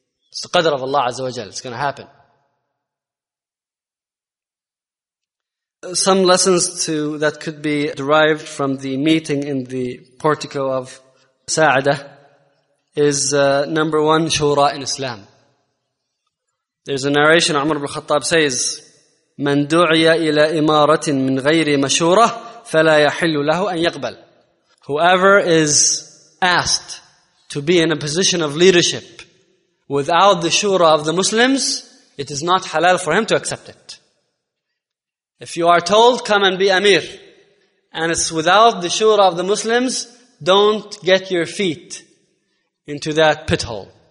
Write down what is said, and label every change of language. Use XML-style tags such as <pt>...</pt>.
<en>It's the qadr of Allah Azza wa Jal. It's going to happen. Some lessons that could be derived from the meeting in the portico of Sa'ada is number one, shura in Islam. There's a narration, Umar ibn Khattab says,</en> <ar>من دعي إلى إمارة من غير مشورة فلا يحل له أن يقبل.</ar> <en>Whoever is asked to be in a position of leadership without the shura of the Muslims, it is not halal for him to accept it. If you are told, come and be Amir, and it's without the shura of the Muslims, don't get your feet into that pit hole.</en>